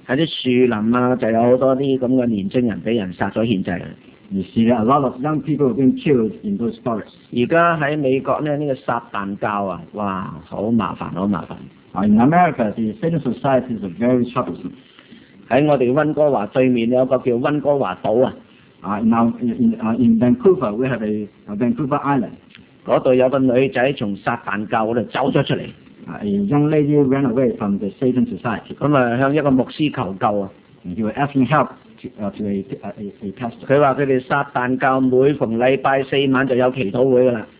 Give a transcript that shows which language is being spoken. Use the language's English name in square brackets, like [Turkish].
[Cantonese] 喺啲樹林啊，就有好多啲咁嘅年青人俾人殺咗獻祭。 [English] You see a lot of young people have been killed in those forests. [Cantonese] 而家喺美國咧，呢個撒旦教啊，哇，好麻煩，好麻煩。 [English] In America, the Satan Society is very troublesome. [Cantonese] 喺我哋温哥華對面有個叫温哥華島啊。 [English] In Vancouver, we have a Vancouver Island. [Cantonese] 嗰度有個女仔從撒旦教嗰度走咗出嚟。 [English] A young lady ran away from the Satan Society. [Cantonese] 咁啊，向一個牧師求救啊。 [English] And he was asking help. To a pastor. [Cantonese] 佢話佢哋撒旦教每逢禮拜四晚就有祈禱會噶啦。